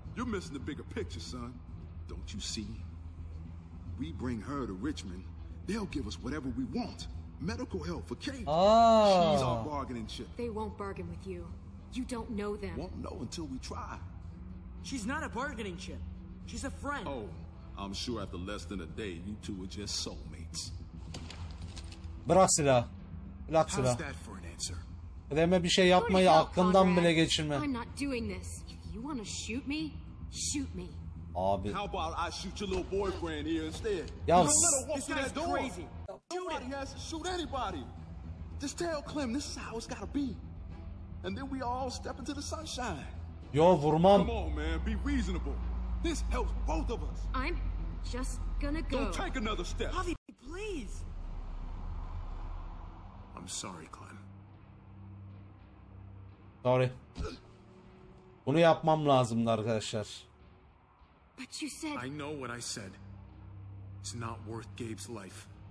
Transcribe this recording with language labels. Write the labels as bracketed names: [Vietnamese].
[English] You're missing the bigger picture, son. Don't you see? We bring her to Richmond, they'll give us whatever we want. Medical help for Kate. Ah. She's our bargaining chip. They won't bargain with you. You don't know them. Won't know until we try. She's not a bargaining chip. She's a friend. Oh, I'm sure after less than a day, you two are just soulmates. Bıraksıla. Bıraksıla. [Turkish] Deme bir şey yapmayı aklından bile geçirme. [English] I'm not doing this. If you want to shoot me, shoot me. [Turkish] Abi. [English] How about I shoot your little boyfriend here instead? Yes. This guy's crazy. Nobody has to shoot anybody. Just tell Clem this is how it's gotta be. And then we all step into the sunshine. [Turkish] Yo, vurmam. [English] Come on, man, be reasonable. This helps both of us. I'm just gonna go. Don't take another step. Javi, please. I'm sorry, Clem. Sorry. [Turkish] Bunu yapmam lazımdı arkadaşlar. [English] But you said... I know what I said. It's not worth Gabe's life.